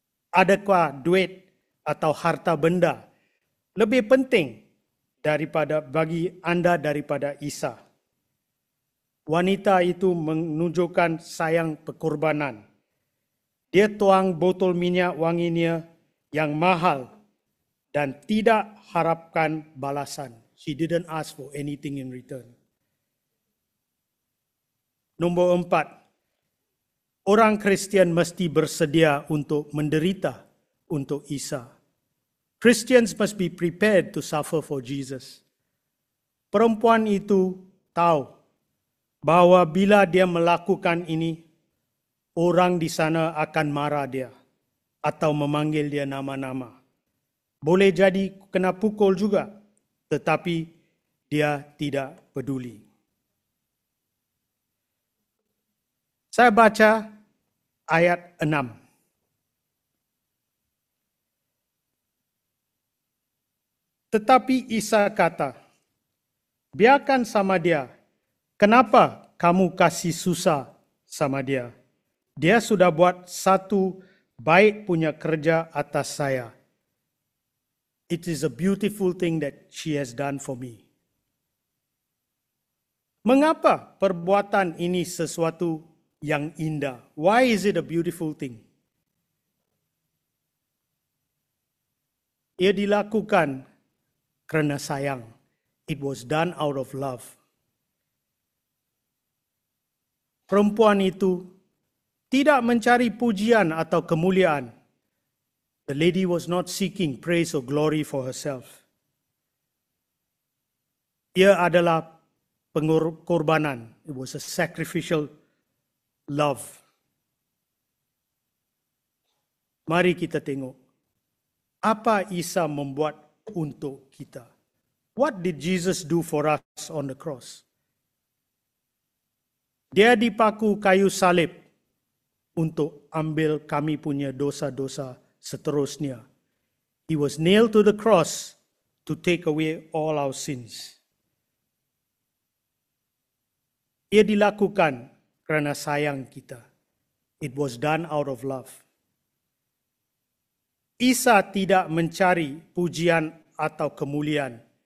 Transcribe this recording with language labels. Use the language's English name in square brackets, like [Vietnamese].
[Malay] Adakah duit atau harta benda lebih penting daripada bagi anda daripada Isa? Wanita itu menunjukkan sayang pengorbanan. Dia tuang botol minyak wanginya yang mahal dan tidak harapkan balasan. [English] She didn't ask for anything in return. [Malay] Nombor empat, orang Kristian mesti bersedia untuk menderita untuk Isa. [English] Christians must be prepared to suffer for Jesus. [Malay] Perempuan itu tahu bahwa bila dia melakukan ini, orang di sana akan marah dia atau memanggil dia nama-nama. Boleh jadi kena pukul juga, tetapi dia tidak peduli. Saya baca ayat 6. Tetapi Isa kata, biarkan sama dia, kenapa kamu kasih susah sama dia? Dia sudah buat satu baik punya kerja atas saya. [English] It is a beautiful thing that she has done for me. [Malay] Mengapa perbuatan ini sesuatu yang indah? [English] Why is it a beautiful thing? [Malay] Ia dilakukan kerana sayang. [English] It was done out of love. [Malay] Perempuan itu tidak mencari pujian atau kemuliaan. [English] The lady was not seeking praise or glory for herself. [Malay] Ia adalah pengorbanan. [English] It was a sacrificial love. [Malay] Mari kita tengok apa Isa membuat untuk kita. [English] What did Jesus do for us on the cross? [Malay] Dia dipaku kayu salib untuk ambil kami punya dosa-dosa seterusnya. [English] He was nailed to the cross to take away all our sins. [Malay] Ia dilakukan kerana sayang kita. [English] It was done out of love. [Malay] Isa tidak mencari pujian atau kemuliaan.